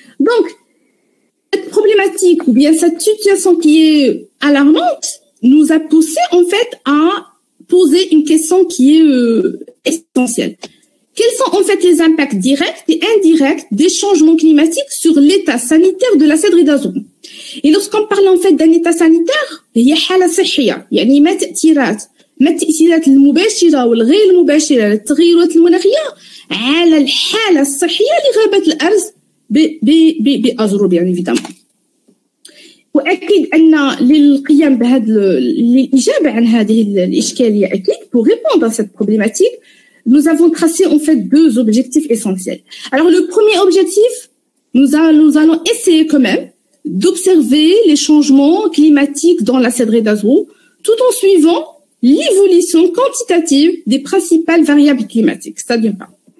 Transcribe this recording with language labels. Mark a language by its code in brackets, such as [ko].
[fr] Donc, cette problématique ou bien cette situation qui est alarmante nous a poussé en fait à poser une question qui est essentielle. Quels sont en fait les impacts directs et indirects des changements climatiques sur l'état sanitaire de la cèdre d'azur? Et lorsqu'on parle en fait d'un état sanitaire, il y a [ar] حالة صحية, يعني ما تأثيرات المباشرة والغير المباشرة للتغيرات المناخية على الحالة الصحية لغابة الأرز بأزرو بيان إيفيدامون. وأكيد أن للقيام بهذا الإجابة عن هذه الإشكالية أكيد [fr] pour répondre à cette problématique. Nous avons tracé en fait deux objectifs essentiels. Alors le premier objectif, nous allons essayer quand même d'observer les changements climatiques dans la cèdrée d'Azrou tout en suivant l'évolution quantitative des principales variables climatiques, c'est-à-dire pas.